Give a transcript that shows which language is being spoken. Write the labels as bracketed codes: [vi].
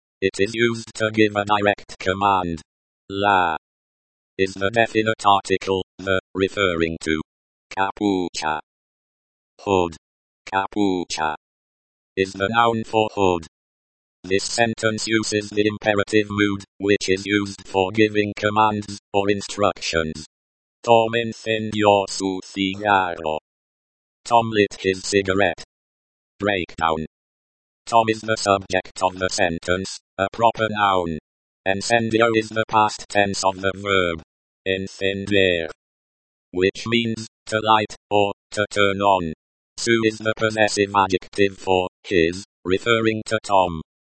[en] It is used to give a direct command. La is the definite article, the, referring to. Capucha. Hood. Capucha is the noun for hood. This sentence uses the imperative mood, which is used for giving commands or instructions. [es] Tom encendió su cigarro. [en] Tom lit his cigarette. Breakdown. Tom is the subject of the sentence, a proper noun. Encendió is the past tense of the verb encender, which means to light or to turn on. Su is the possessive adjective for his, referring to Tom.